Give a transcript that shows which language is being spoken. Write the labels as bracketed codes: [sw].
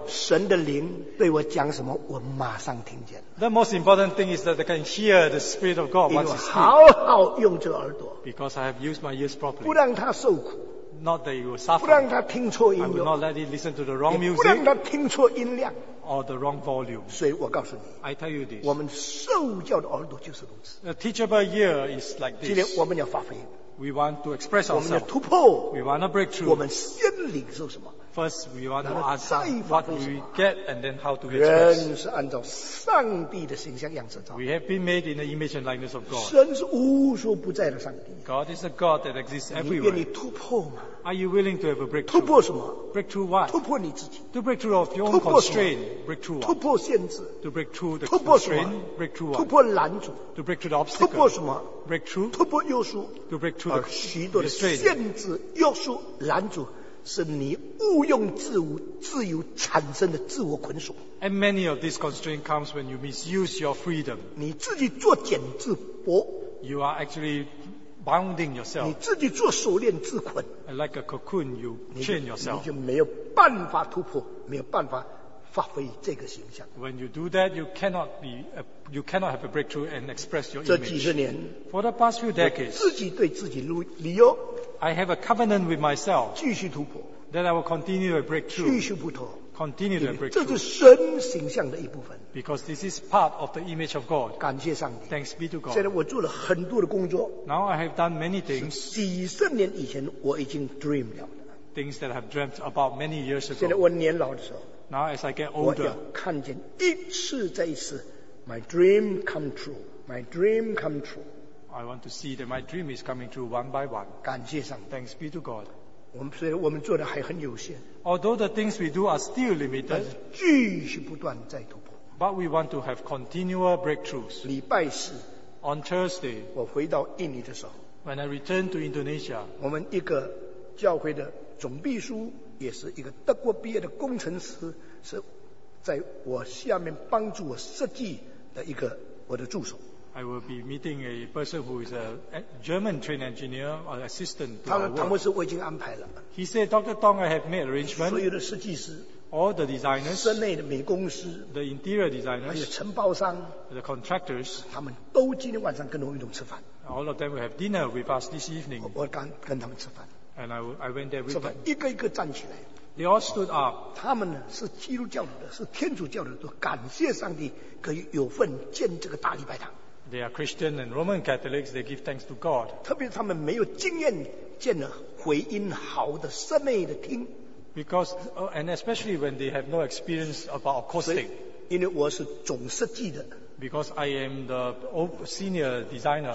[zh] 神的灵对我讲什么，我马上听见。 [en] The most important thing is that I can hear the Spirit of God once. [zh] 因为好好用这耳朵。 [en] Because I have used my ears properly. [zh] 不让他受苦。 [en] Not that you will suffer. [zh] 不让他听错音 [en] 乐。I will not let it listen to the wrong music. [zh] 不让他听错音量。 [en] Or the wrong volume. [zh] 所以我告诉你。 [en] I tell you this. [zh] 我们受教的耳朵就是如此。 [en] A teachable ear is like this. [zh] 今天我们要发福音。 [en] We want to express ourselves. [zh] 我们要突破。 [en] We want a breakthrough. [zh] 我们先领受什么？ [en] First, we want to ask what we get and then how to express. We have been made in the image and likeness of God. [zh] 神是无所不在的上帝。 [en] God is a God that exists everywhere. [zh] 你愿意突破吗？ [en] Are you willing to have a breakthrough? [zh] 突破什么？ [en] Breakthrough what? [zh] 突破你自己。 [en] To break through of your own constraint. Breakthrough what? [zh] 突破限制。 [en] To break through the constraint. Breakthrough what? [zh] 突破拦阻。 [en] To break through the obstacle. [zh] 突破什么？ [en] Breakthrough. [zh] 突破约束。 [en] To break through the constraint. [zh] 而许多的限制、约束、拦阻。是你误用自我自由产生的自我捆锁。 [en] And many of these constraints comes when you misuse your freedom. [zh] 你自己做茧自缚。 [en] You are actually bounding yourself. [zh] 你自己做锁链自捆。 [en] And like a cocoon, you chain yourself. [zh] 你就没有办法突破，没有办法发挥这个形象。 [en] When you do that, you cannot have a breakthrough and express your image. [zh] 这几十年 [en] ，For the past few decades, [zh] 自己对自己理由。 [en] I have a covenant with myself. [zh] 继续突破。 [en] Then I will continue to break through. [zh] 继续不脱。 [en] Continue to break through. [zh] 这是神形象的一部分。 [en] Because this is part of the image of God. [zh] 感谢上帝。 [en] Thanks be to God. [zh] 现在我做了很多的工作。 [en] Now I have done many things. [zh] 几十年以前我已经 dream 了。 [en] Things that I have dreamt about many years ago. [zh] 现在我年老的时候。 [en] Now as I get older. [zh] 我要看见一次再一次 ， [en] my dream come true. My dream come true. I want to see that my dream is coming true one by one. [zh] 感谢上帝。 [en] Thanks be to God. [zh] 我们做的还很有限。 [en] Although the things we do are still limited, [zh] 继续不断再突破。 [en] But we want to have continual breakthroughs. [zh] 礼拜四 [en] On Thursday, [zh] 我回到印尼的时候 [en] When I return to Indonesia, [zh] 我们一个教会的总秘书也是一个德国毕业的工程师是在我下面帮助我设计的一个我的助手。 [en] I will be meeting a person who is a German trained engineer or assistant to our work. [zh] 唐牧师我已经安排了。 [en] He said, Dr. Tong, I have made arrangements. [zh] 所有的设计师。 [en] All the designers. [zh] 室内的美工师。 [en] The interior designers. [zh] 还有承包商。 [en] The contractors. [zh] 他们都今天晚上跟我一同吃饭。 [en] All of them will have dinner with us this evening. [zh] 我刚跟他们吃饭。 [en] And I went there with them. [zh] 一个一个站起来。 [en] They all stood up. [zh] 他们是基督教的，是天主教的，都感谢上帝可以有份建这个大礼拜堂。 [en] They are Christian and Roman Catholics. They give thanks to God. [zh] 特别他们没有经验建了回音好的室内的厅。 [en] Because and especially when they have no experience about acoustic. [zh] 因为我是总设计的。 [en] Because I am the senior designer.